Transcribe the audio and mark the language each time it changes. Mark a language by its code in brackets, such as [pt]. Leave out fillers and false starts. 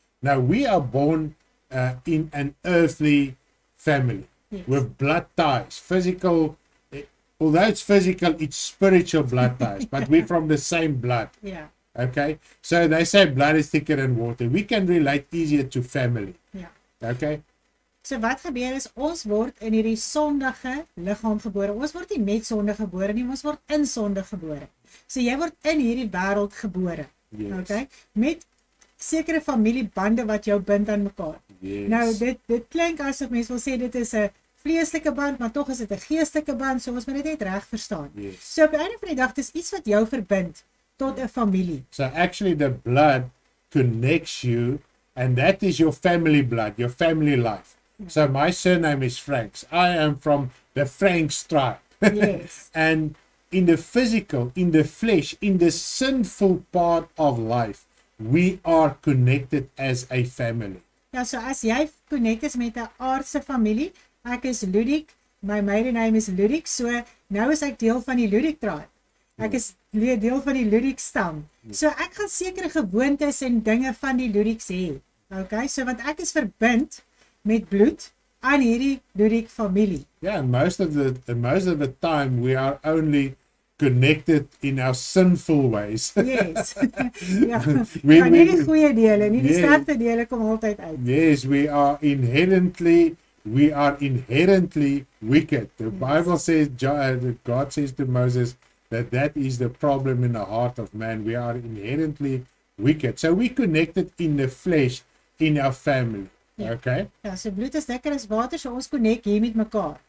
[en] Now we are born in an earthly family, yes. with blood ties, physical, although it's physical, it's spiritual blood ties, but we're from the same blood. Yeah. Okay. So they say blood is thicker than water. We can relate easier to family. Yeah. Okay. [af] So wat gebeur is, ons word in hierdie sondige liggaam gebore. Ons word nie met sonde gebore nie, ons word in sonde gebore. So jy word in hierdie wêreld gebore. [en] Yes. [af] Okay? Met sekere familiebande wat jou bind aan mekaar. [en] Yes. [af] Nou dit klink asof mense wil sê dit is 'n vleeslike band, maar tog is dit 'n geestelike band, so ons moet dit net reg verstaan. [en] Yes. [af] So op die einde van die dag, dis iets wat jou verbind tot 'n familie. [en] So actually the blood connects you and that is your family blood, your family life. So my surname is Franks. I am from the Franks tribe. Yes. And in the physical, in the flesh, in the sinful part of life, we are connected as a family. [af] Ja, so as jy connect is met 'n aardse familie, ek is Ludik, [en] my maiden name is Ludik, [af] so nou is ek deel van die Ludik tribe. Ek is deel van die Ludik stam. So ek gaan sekere gewoontes en dinge van die Ludiks hê. Okay, so want ek is verbind met bloed aan hierdie Ludik familie. [en] Yeah, and most of the time we are only connected in our sinful ways. Yes. Ja. [af] We nie die goeie dele, nie die slegte dele kom altyd uit. [en] Yes, we are inherently wicked. The yes. Bible says God says to Moses that is the problem in the heart of man. We are inherently wicked. So we connected in the flesh in our family. Okay. [af] Ja, so bloed is dikker as water, so ons connect hier met mekaar.